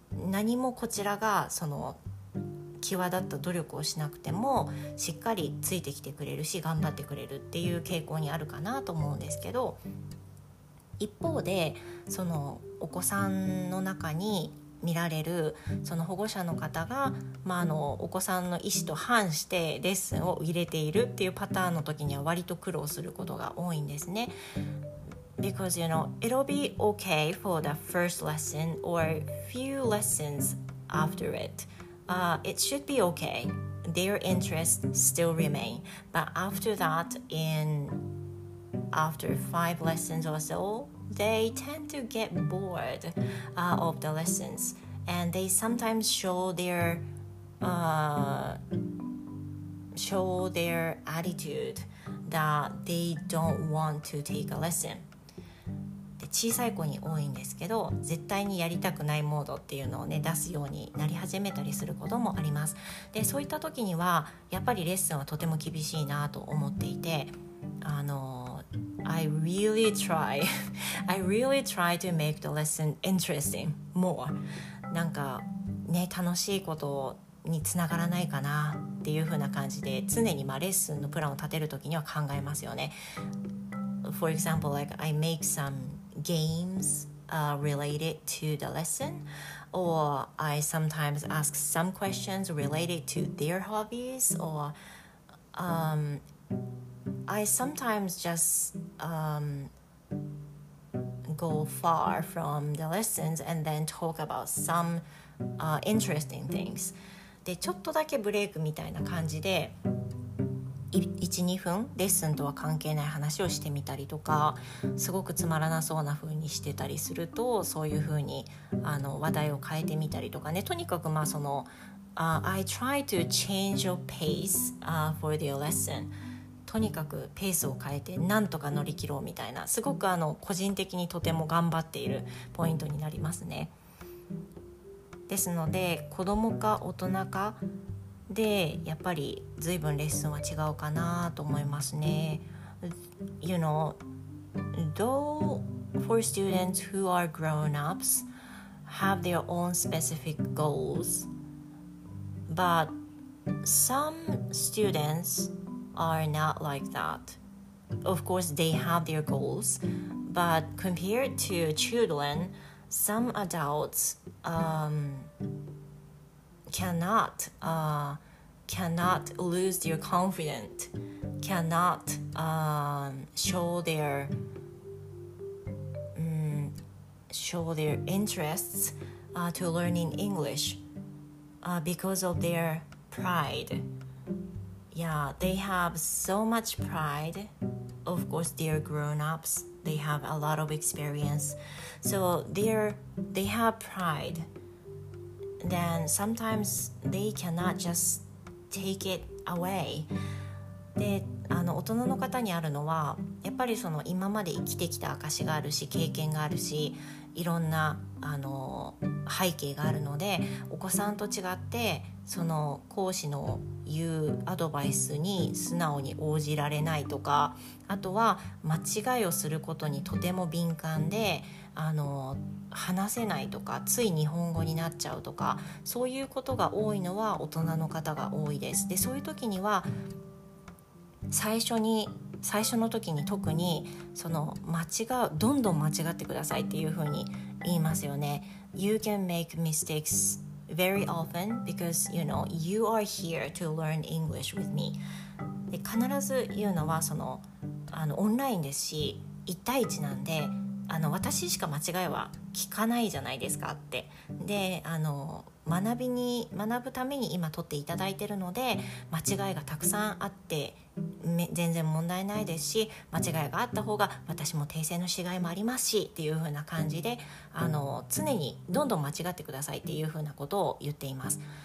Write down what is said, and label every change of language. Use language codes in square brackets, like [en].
[ja] 何もこちらがその際立った努力をしなくてもしっかりついてきてくれるし頑張ってくれるっていう傾向にあるかなと思うんですけど、一方でそのお子さんの中に見られる、その保護者の方が、お子さんの意思と反してレッスンを入れているっていうパターンの時には割と苦労することが多いんですね。 [en] Because you know, it'll be okay for the first lesson or few lessons after it. It should be okay. Their interest still remain. But after that, after five lessons or so,they tend to get bored of the lessons, and they sometimes show their attitude that they don't want to take a lesson. [ja] で、小さい子に多いんですけど、絶対にやりたくないモードっていうのをね、出すようになり始めたりすることもあります。で、そういった時にはやっぱりレッスンはとても厳しいなと思っていて、 [en] I really try to make the lesson interesting more. [ja] なんかね、楽しいことにつながらないかなっていう風な感じで、常にレッスンのプランを立てるときには考えますよね。 [en] For example, like I make some games related to the lesson, or I sometimes ask some questions related to their hobbies, or I sometimes just go far from the lessons and then talk about some interesting things. [ja] で、ちょっとだけブレイクみたいな感じで、1-2 分レッスンとは関係ない話をしてみたりとか、すごくつまらなそうな風にしてたりすると、そういう風に話題を変えてみたりとかね、とにかく [en] I try to change your pace for their lesson. [ja] とにかくペースを変えてなんとか乗り切ろうみたいな、すごく個人的にとても頑張っているポイントになりますね。ですので、子供か大人かでやっぱり随分レッスンは違うかなと思いますね。 [en] You know, though for students who are grown-ups have their own specific goals, but some studentsare not like that. Of course, they have their goals, but compared to children, some adults cannot cannot lose their confidence, cannot show their show their interests to learning English because of their pride. Yeah, they have so much pride. Of course, they're grown-ups. They have a lot of experience. So they have pride. Then sometimes they cannot just take it away. [ja] で、あの大人の方にあるのは、やっぱりその今まで生きてきた証があるし、経験があるし、いろんなあの背景があるので、お子さんと違って、その講師の言うアドバイスに素直に応じられないとか、あとは間違いをすることにとても敏感で、あの話せないとか、つい日本語になっちゃうとか、そういうことが多いのは大人の方が多いです。で、そういう時には最初の時に特にその間違う、どんどん間違ってくださいっていう風に言いますよね。 [en] You can make mistakes very often because you know you are here to learn English with me. [ja] で必ず言うのはあのオンラインですし一対一なんで、あの私しか間違いは聞かないじゃないですかって。で、あの学ぶために今取っていただいているので、間違いがたくさんあって全然問題ないですし、間違いがあった方が私も訂正のしがいもありますしっていう風な感じで、あの常にどんどん間違ってくださいっていう風なことを言っています。